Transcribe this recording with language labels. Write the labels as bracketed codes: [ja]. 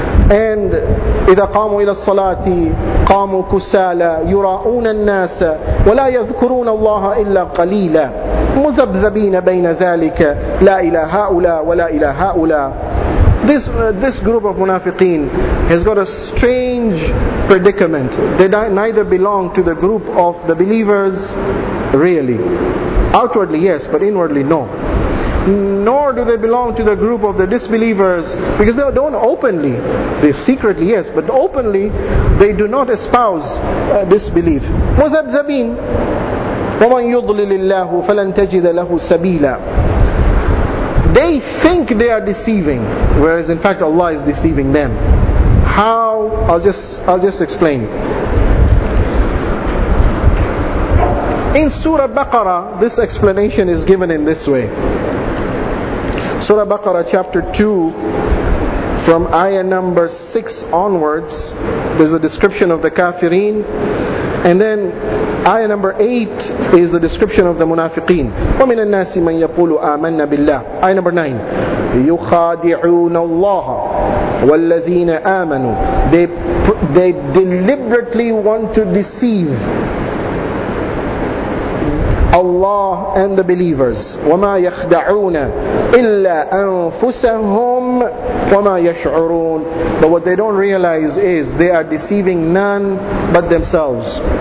[ar] And إذا قاموا إلى الصلاة قاموا كسالى يراؤون الناس ولا يذكرون الله إلا قليلا مذبذبين بين ذلك لا إلى هؤلاء ولا إلى هؤلاء. [en] This group of munafiqeen has got a strange predicament. They neither belong to the group of the believers really. Outwardly yes, but inwardly no. Nor do they belong to the group of the disbelievers, because they don't openly, they secretly yes, but openly they do not espouse disbelief. [ar] مذبذبين ومن يضلل الله فلن تجد له سبيلا. [en] They think they are deceiving, whereas in fact Allah is deceiving them. How? I'll just explain. In Surah Baqarah, this explanation is given in this way. Surah Baqarah chapter 2, from ayah number 6 onwards, there's a description of the kafirin. And then ayah number 8 is the description of the munafiqeen. [ar] وَمِنَ النَّاسِ مَنْ يَقُولُ آمَنَّ بِاللَّهِ [en] Ayah number 9. [ar] يُخَادِعُونَ اللَّهَ وَالَّذِينَ آمَنُوا [en] They deliberately want to deceive Allah and the believers. [ar] وَمَا يَخْدَعُونَ إِلَّا أَنفُسَهُمْ وَمَا يَشْعُرُونَ [en] But what they don't realize is they are deceiving none but themselves.